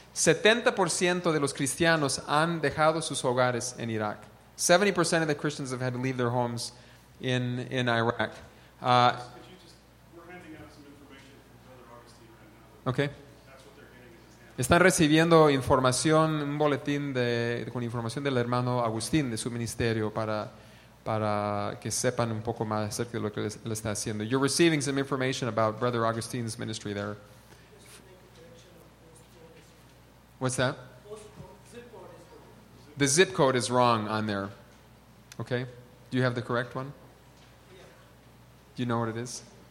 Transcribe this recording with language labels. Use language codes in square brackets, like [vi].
[es] 70% de los cristianos han dejado sus hogares en Irak. [en] 70% of the Christians have had to leave their homes in Iraq. We're handing out some information from Brother Augustine right now. Okay. That's what they're getting in his hand. [es] Están recibiendo información, un boletín con información del hermano Agustín de su ministerio para que sepan un poco más acerca de lo que él está haciendo. [en] You're receiving some information about Brother Augustine's ministry there. What's that? The zip code is wrong on there. Okay? Do you have the correct one? Yeah. Do you know what it is?